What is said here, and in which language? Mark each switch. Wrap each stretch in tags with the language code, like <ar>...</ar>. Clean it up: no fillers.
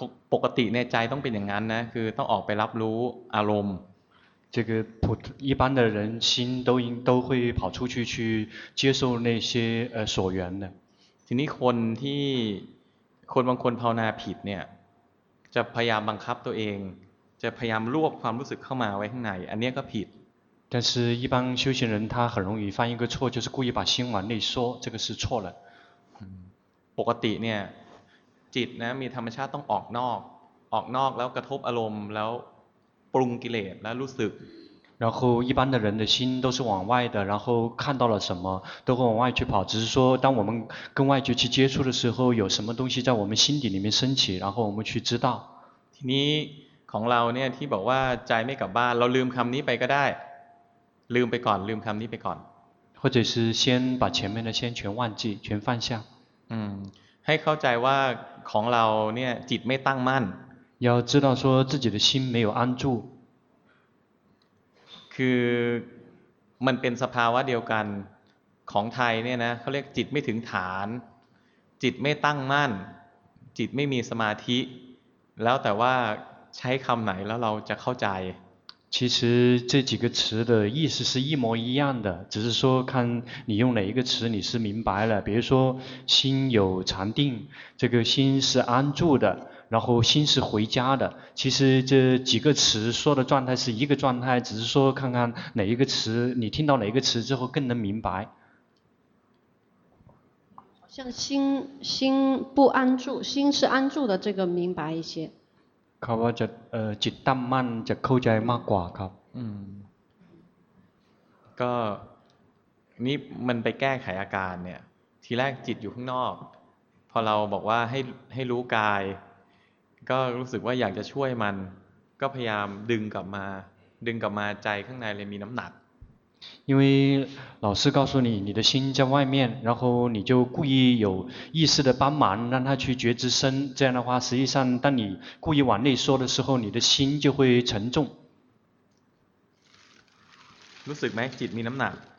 <th>ปกติเนี่ยใจต้องเป็นอย่างนั้นนะคือต้องออกไปรับรู้อารมณ์</th> <zh>这个普一般的人心都会跑出去接受那些所缘的</zh> <th>ทีนี้คนที่คนบางคนภาวนาผิดเนี่ยจะพยายามบังคับตัวเองจะพยายามรวบความรู้สึกเข้ามาไว้ข้างในอันนี้ก็ผิด</th> <zh>但是一般修行人他很容易犯一个错就是故意把心往内缩这个是错了</zh> <th>ปกติเนี่ยจิตนะมีธรรมชาติต้องออกนอกออกนอกแล้วกระทบอารมณ์แล้วปรุงกิเลสแล้วรู้สึก</th> <zh>然后一般的人的心都是往外的然后看到了什么都会往外去跑只是说当我们跟外界去接触的时候有什么东西在我们心底里面升起然后我们去知道</zh> <th>ทีนี้ของเราเนี่ยที่บอกว่าใจไม่กลับบ้านเราลืมคำนี้ไปก็ได้ลืมไปก่อนลืมคำนี้ไปก่อน</th> <zh>或者是先把前面的先全忘记全放下</zh> <th>ให้เข้าใจว่าของเราเนี่ยจิตไม่ตั้งมั่น</th> <zh>要知道说自己的心没有安住</zh> <th>คือมันเป็นสภาวะเดียวกันของไทยเนี่ยนะเขาเรียกจิตไม่ถึงฐานจิตไม่ตั้งมั่นจิตไม่มีสมาธิแล้วแต่ว่าใช้คำไหนแล้วเราจะเข้าใจ</th> <zh>其实这几个词的意思是一模一样的只是说看你用哪一个词你是明白了比如说心有禅定这个心是安住的然后心是回家的其实这几个词说的状态是一个状态只是说看看哪一个词你听到哪一个词之后更能明白好像心不安住心是安住的这个明白一些</zh> <th>คำว่าจะจิตตั้งมั่นจะเข้าใจมากกว่าครับ ก็นี่มันไปแก้ไขอาการเนี่ยทีแรกจิตอยู่ข้างนอกพอเราบอกว่าให้รู้กายก็รู้สึกว่าอยากจะช่วยมันก็พยายามดึงกลับมาใจข้างในเลยมีน้ำหนัก</th> <zh>因为老师告诉你你的心在外面然后你就故意有意识的帮忙让他去觉知身这样的话实际上当你故意往内缩的时候你的心就会沉重</zh> <th>รู้สึกไหมจิตมีน้ำหนัก</th>